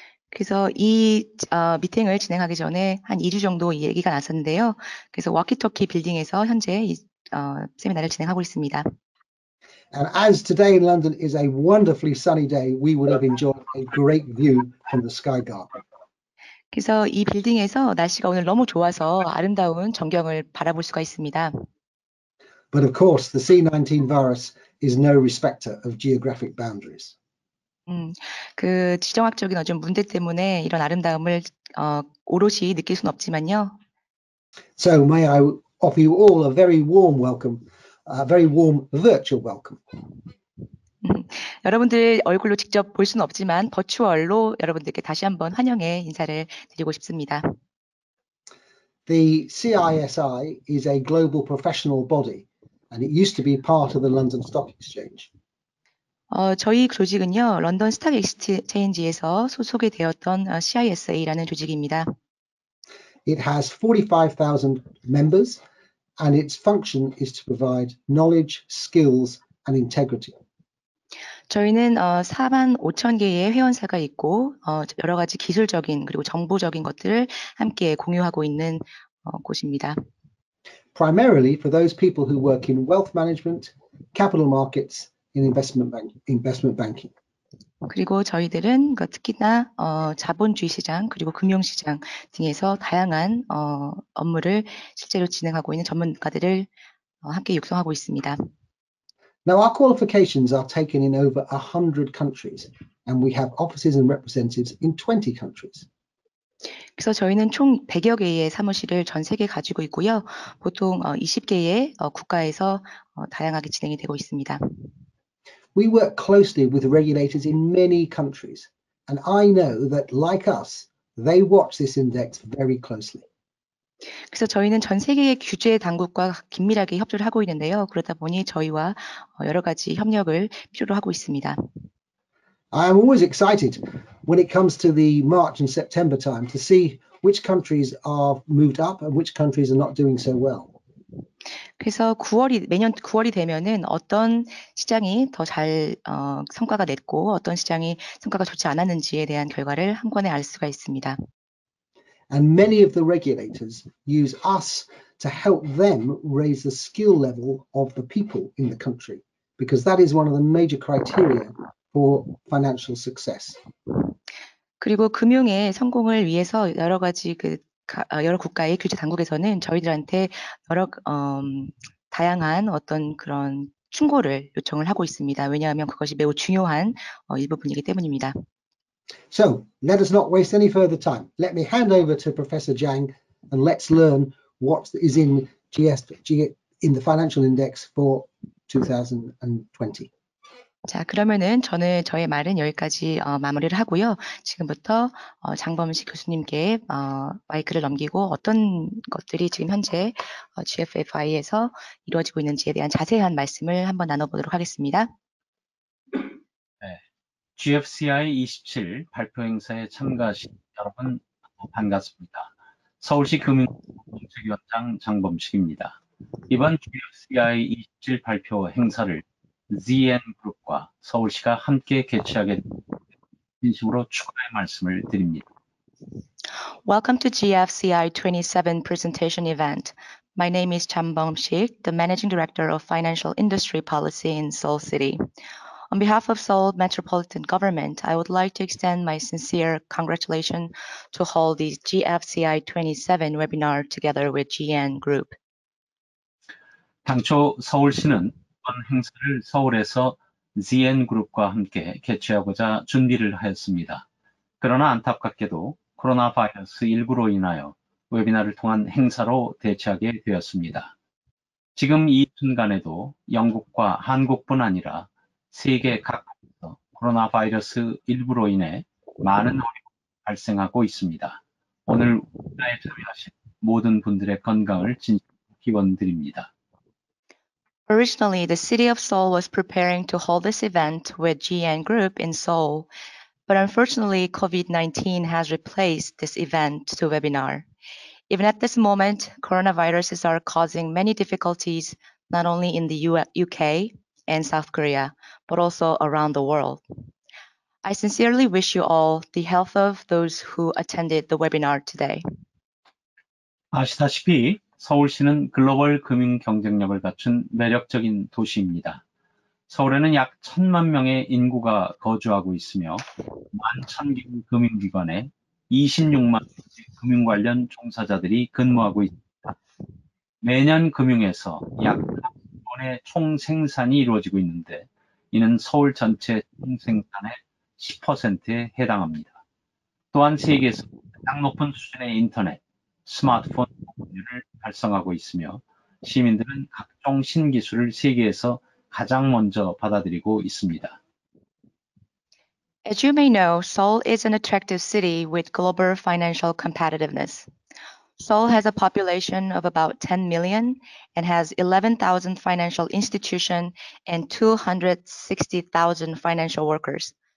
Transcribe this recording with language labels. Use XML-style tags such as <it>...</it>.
<ko>그래서 이 미팅을 진행하기 전에 한 2주 정도 얘기가 났었는데요. 그래서 walkie-talkie 빌딩에서 현재 이 세미나를 진행하고 있습니다.</ko> <en>And as today in London is a wonderfully sunny day, we would have enjoyed a great view from the sky garden.</en> <ko>그래서 이 빌딩에서 날씨가 오늘 너무 좋아서 아름다운 전경을 바라볼 수가 있습니다.</ko> <en>But of course, the C19 virus is no respecter of geographic boundaries.</en> <ko>그 지정학적인 어떤 문제 때문에 이런 아름다움을 오롯이 느낄 순 없지만요.</ko> <en>So may I offer you all a very warm welcome, a very warm virtual welcome.</en> <ko>여러분들 얼굴로 직접 볼 수는 없지만 버추얼로 여러분들께 다시 한번 환영의 인사를 드리고 싶습니다.</ko> <en>The CISI is a global professional body and it used to be part of the London Stock Exchange.</en> <ko>저희 조직은요. 런던 스톡 익스체인지에서 소속이 되었던 CISA라는 조직입니다.</ko> <en>It has 45,000 members and its function is to provide knowledge, skills and integrity.</en> <ko>저희는 4만 5천 개의 회원사가 있고 여러 가지 기술적인 그리고 정보적인 것들을 함께 공유하고 있는 곳입니다.</ko> <en>Primarily for those people who work in wealth management, capital markets, and investment banking.</en> <ko>그리고 저희들은 특히나 자본주의 시장 그리고 금융시장 등에서 다양한 업무를 실제로 진행하고 있는 전문가들을 함께 육성하고 있습니다.</ko> <en>Now our qualifications are taken in over 100 countries and we have offices and representatives in 20 countries.</en> <ko>그래서 저희는 총 100여 개의 사무실을 전 세계에 가지고 있고요. 보통 20개의 국가에서 다양하게 진행이 되고 있습니다.</ko> <en>We work closely with regulators in many countries and I know that like us, they watch this index very closely.</en> <ko>그래서 저희는 전 세계의 규제 당국과 긴밀하게 협조를 하고 있는데요. 그러다 보니 저희와 여러 가지 협력을 필요로 하고 있습니다.</ko> <en>I am always excited when it comes to the March and September time to see which countries are moved up and which countries are not doing so well.</en> <ko>그래서 9월이 매년 9월이 되면은 어떤 시장이 더잘 성과가 냈고 어떤 시장이 성과가 좋지 않았는지에 대한 결과를 한 번에 알 수가 있습니다.</ko> <en>And many of the regulators use us to help them raise the skill level of the people in the country, because that is one of the major criteria for financial success.</en> <ko>그리고 금융의 성공을 위해서 여러 가지 여러 국가의 규제 당국에서는 저희들한테 여러 다양한 어떤 그런 충고를 요청을 하고 있습니다. 왜냐하면 그것이 매우 중요한 일부분이기 때문입니다.</ko> <en>So, let us not waste any further time. Let me hand over to Professor Jiang and let's learn what is in in the financial index for 2020.</en> <ko>자, 그러면은 저는 저의 말은 여기까지 마무리를 하고요. 지금부터 장범식 교수님께 마이크를 넘기고 어떤 것들이 지금 현재 GFFI에서 이루어지고 있는지에 대한 자세한 말씀을 한번 나눠보도록 하겠습니다. GFCI 27 발표 행사에 참가하신 여러분 반갑습니다. 서울시 금융정책위원장 장범식입니다. 이번 GFCI 27 발표 행사를 ZN그룹과 서울시가 함께 개최하게 진심으로 축하의 말씀을 드립니다.</ko> <en>Welcome to GFCI 27 presentation event. My name is Chan Bong-sik, the Managing Director of Financial Industry Policy in Seoul City. On behalf of Seoul Metropolitan Government, I would like to extend my sincere congratulations to hold this GFCI 27 webinar together with GN Group.</en> <ko>당초 서울시는 이번 행사를 서울에서 ZN그룹과 함께 개최하고자 준비를 하였습니다. 그러나 안타깝게도 코로나 바이러스 일부로 인하여 웨비나를 통한 행사로 대체하게 되었습니다. 지금 이 순간에도 영국과 한국뿐 아니라 세계 각국에서 코로나 바이러스 일부로 인해 많은 어려움이 발생하고 있습니다. 오늘 웨비나에 참여하신 모든 분들의 건강을 진심으로 기원드립니다.</ko> <en>Originally, the city of Seoul was preparing to hold this event with GN Group in Seoul, but unfortunately, COVID-19 has replaced this event to webinar. Even at this moment, coronaviruses are causing many difficulties not only in the UK and South Korea, but also around the world. I sincerely wish you all the health of those who attended the webinar today.</en> <ko>아시다시피 서울시는 글로벌 금융 경쟁력을 갖춘 매력적인 도시입니다. 서울에는 약 1천만 명의 인구가 거주하고 있으며, 11,000개의 금융기관에 26만 금융 관련 종사자들이 근무하고 있습니다. 매년 금융에서 약 1만 원의 총 생산이 이루어지고 있는데, 이는 서울 전체 총 생산의 10%에 해당합니다. 또한 세계에서 가장 높은 수준의 인터넷, 스마트폰 보급률을 달성하고 있으며, 시민들은 각종 신기술을 세계에서 가장 먼저 받아들이고 있습니다.</ko> <en>As you may know, Seoul is an attractive city with global financial competitiveness. Seoul has a population of about 10 million and has 11,000 financial institutions and 260,000 financial workers.</en>